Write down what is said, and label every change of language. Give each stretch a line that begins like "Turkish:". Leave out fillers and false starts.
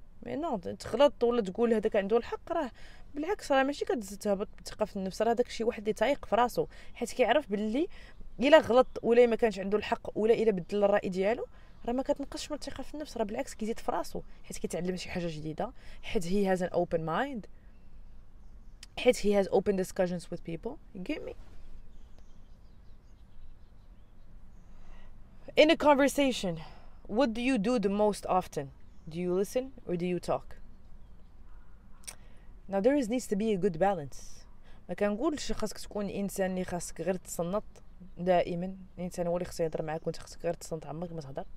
Arabic: مي نو، تغلط ولا تقول هذاك عنده الحق، راه بالعكس راه ماشي كتزيد تهبط الثقه في النفس، راه داك الشيء واحد اللي تايق في راسه، حيت كيعرف باللي الا غلط ولا ما كانش عنده الحق ولا الا بدل الراي ديالو، راه ما كتنقصش من الثقه في النفس، راه بالعكس كيزيد في راسه، حيت كيتعلم شي حاجه جديده، حيت
English: he has an open mind,
Arabic: حيت
English: He has open discussions with people. Get me in a conversation, what do you do the most often? Do you listen or do you talk? Now there needs to be a good balance.
Arabic: ما كنقولش خاصك تكون انسان اللي خاصك غير تصنط دائما، انسان هو اللي خاصو يهضر معاك وانت خاصك غير تصنط عمرك ما تهضر.